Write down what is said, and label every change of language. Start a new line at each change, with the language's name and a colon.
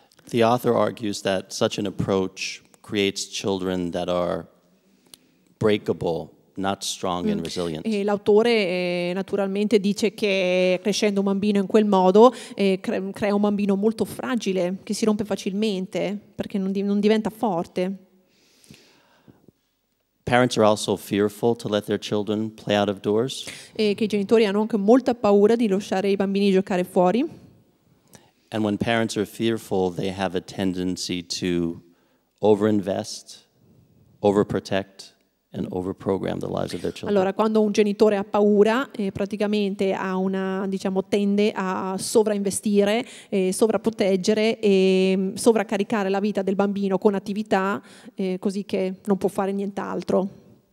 English: The author argues that such an approach creates children that are breakable. Not strong and resilient.
Italian: E l'autore naturalmente dice che crescendo un bambino in quel modo crea un bambino molto fragile, che si rompe facilmente, perché non diventa forte.
English: Parents are also fearful to let their children play out of doors.
Italian: E che i genitori hanno anche molta paura di lasciare i bambini giocare fuori.
English: And when parents are fearful, they have a tendency to overinvest, overprotect, and overprogram the lives of their children.
Italian: Allora, quando un genitore ha paura, praticamente ha una, diciamo, tende a sovrainvestire, sovraproteggere e sovraccaricare la vita del bambino con attività, così che non può fare nient'altro.